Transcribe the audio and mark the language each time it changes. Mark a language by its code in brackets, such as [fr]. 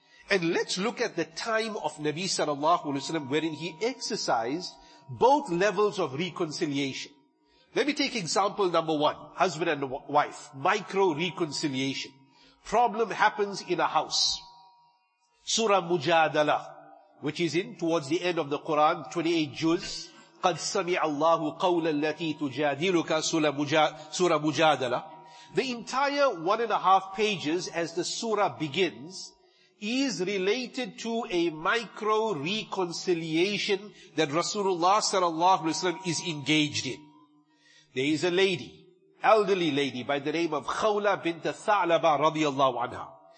[en] And let's look at the time of Nabi sallallahu alaihi wasallam, wherein he exercised both levels of reconciliation. Let me take example number one, husband and wife, micro reconciliation. Problem happens in a house. Surah Mujadala, which is in towards the end of the Quran, 28 juz. [ar] قَدْ سَمِعَ اللَّهُ قَوْلَ الَّتِي تُجَادِلُكَ Surah Mujadala. [en] The entire 1.5 pages as the surah begins is related to a micro reconciliation that Rasulullah sallallahu alaihi wasallam is engaged in. There is a lady, elderly lady, by the name of Khawla bint Tha'laba radiallahu anha.